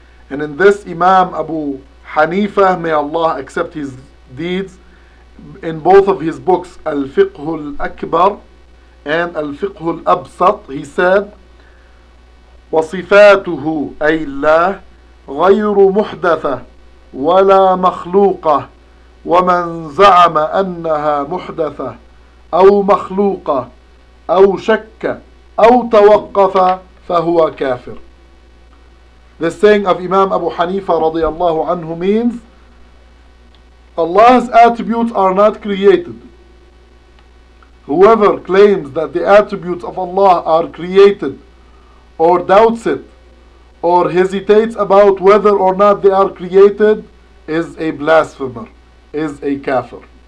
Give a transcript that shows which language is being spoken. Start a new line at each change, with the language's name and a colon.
English: And in this, Imam Abu Hanifa, may Allah accept his deeds, in both of his books, Al-Fiqh al-Akbar and Al-Fiqh al-Absat, he said,
Arabic: وَصِفَاتُهُ أَيْ اللَّهِ غَيْرُ مُحْدَثَةٍ وَلَا مَخْلُوقَةٍ وَمَنْ زَعَمَ أَنَّهَا مُحْدَثَةٍ أو مخلوقة أو شك أو توقف فهو كافر.
English: The saying of Imam Abu Hanifa
Arabic: رضي الله عنه
English: means Allah's attributes are not created. Whoever claims that the attributes of Allah are created or doubts it or hesitates about whether or not they are created is a blasphemer, is a kafir.